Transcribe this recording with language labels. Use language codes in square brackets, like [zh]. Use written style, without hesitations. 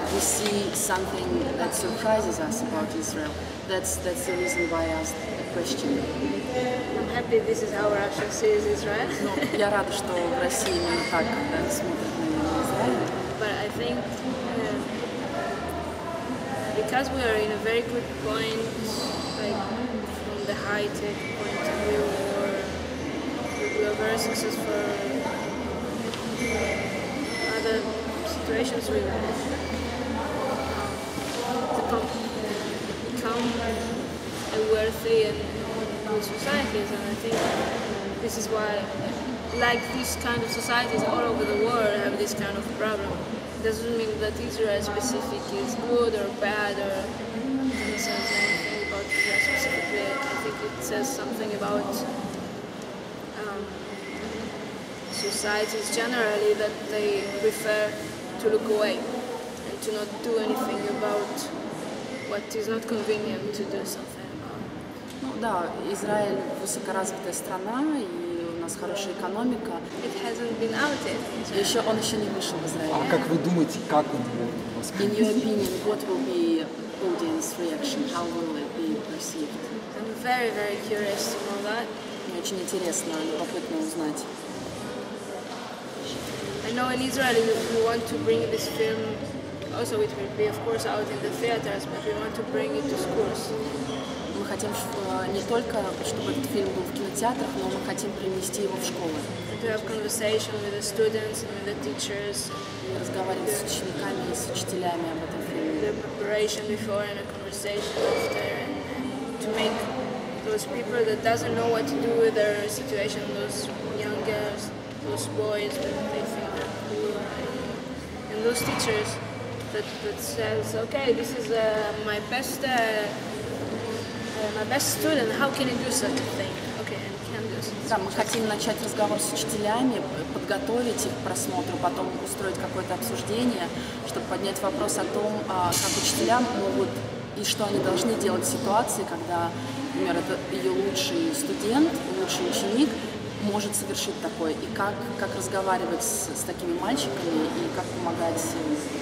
[en] We see something that surprises us about Israel. That's the reason why I asked the question. I'm happy this is how Russia sees Israel. [ru] Ну, я рада, что в России именно так смотрят на Израиль. [en] But I think because we are in a very good point, from the high tech point of view, we are very successful in other situations. We become a wealthy and good societies, and I think this is why, like this kind of societies all over the world have this kind of problem. It doesn't mean that Israel specific is good or bad or something. I think it says something about societies generally that they prefer to look away and to not do anything about what is not convenient to do something about. [ru] Ну да, Израиль высокоразвитая страна, и у нас хорошая экономика. [en] It hasn't been out yet. [ru] Еще он еще не вышел в Израиль. А как вы думаете, как он будет воспринят? [en] In your opinion, what will be audience reaction? How will it be perceived? I'm very, very curious to know that. [ru] Мне очень интересно, любопытно узнать. [en] I know in Israel we want to bring this film. Also, it will be, of course, out in the theaters, but we want to bring it to schools. [ru] Мы хотим, чтобы не только чтобы этот фильм был в кинотеатрах, но мы хотим принести его в школы. [en] To have conversation with the students and with the teachers. [ru] И разговаривать с учениками и с учителями об этом фильме. [en] The preparation before and a conversation after, and to make those people that doesn't know what to do with their situation, those young girls, those boys that they think are cool, and those teachers. That says, okay, this is my best student. How can you do such a thing? Okay, and can do such a thing. [ru] Да, мы хотим начать разговор с учителями, подготовить их к просмотру, потом устроить какое-то обсуждение, чтобы поднять вопрос о том, как учителя могут и что они должны делать в ситуации, когда, например, это ее лучший студент, лучший ученик может совершить такое, и как разговаривать с такими мальчиками и как помогать им.